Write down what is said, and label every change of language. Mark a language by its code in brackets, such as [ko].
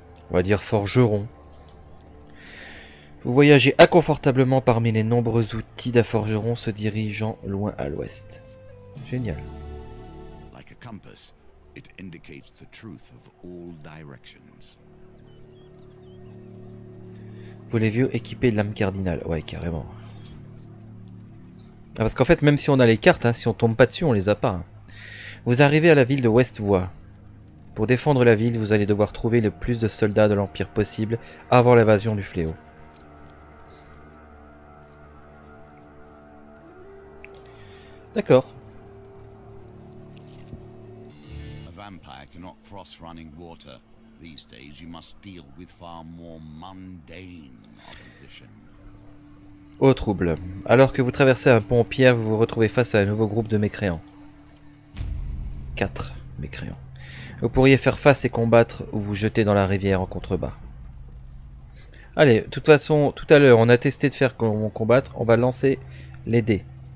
[fr] On va dire forgeron. Vous voyagez inconfortablement parmi les nombreux outils d'un forgeron se dirigeant loin à l'ouest. Génial. [en] Like a compass, it indicates the truth of all directions. [fr] Vous les vieux équipés de l'âme cardinale. Ouais, carrément. Ah, parce qu'en fait, même si on a les cartes, hein, si on tombe pas dessus, on les a pas. Hein. Vous arrivez à la ville de Ouest-Voie. Pour défendre la ville, vous allez devoir trouver le plus de soldats de l'Empire possible avant l'invasion du fléau. D'accord. [en] A vampire cannot cross running water. These days you must deal with far more mundane opposition. [fr] Au trouble. Alors que vous traversez un pont en pierre, vous vous retrouvez face à un nouveau groupe de mécréants. 4 mécréants. Vous pourriez faire face et combattre ou vous jeter dans la rivière en contrebas. Allez, de toute façon, tout à l'heure, on a testé de faire combattre, on va lancer les dés.